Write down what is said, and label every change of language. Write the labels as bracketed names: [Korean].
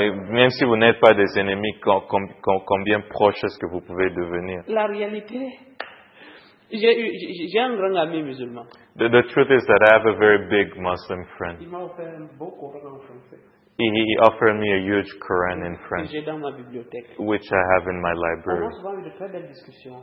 [French] Même si vous n'êtes pas des ennemis, combien proche est-ce que vous pouvez devenir? La réalité. J'ai un grand ami musulman. [English] The truth is that I have a very big Muslim friend. [French] Il m'a offert un beau Coran en français. [English] He offered me a huge Quran in French. [French] J'ai dans ma bibliothèque. [English] Which I have in my library. [French] On a souvent eu de très belles discussions.